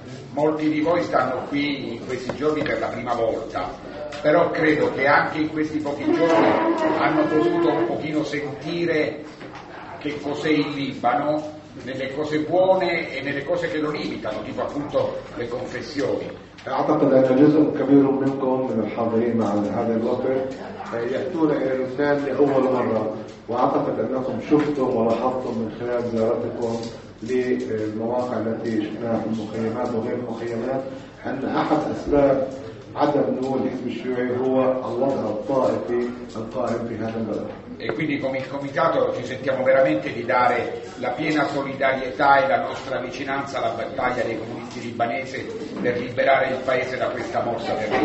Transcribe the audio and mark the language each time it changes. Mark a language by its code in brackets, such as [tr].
[it] Molti di voi stanno qui in questi giorni per la prima volta, però credo che anche in questi pochi giorni hanno potuto un pochino sentire che cos'è il Libano, nelle cose buone e nelle cose che lo limitano, tipo appunto le confessioni. [ar] أعتقد أن جزء كبير منكم من الحاضرين على هذا الوقت يأتون إلى لبنان لأول مرة، وأعتقد أنكم شفتم ولاحظتم من خلال زيارتكم للمواقع التي شفناها في المخيمات وغير المخيمات أن أحد أسباب عدم نمو الحزب الشيوعي هو الوضع الطائفي القائم في هذا البلد. [it] E quindi come il Comitato ci sentiamo veramente di dare la piena solidarietà e la nostra vicinanza alla battaglia dei comunisti libanesi per liberare il paese da questa morsa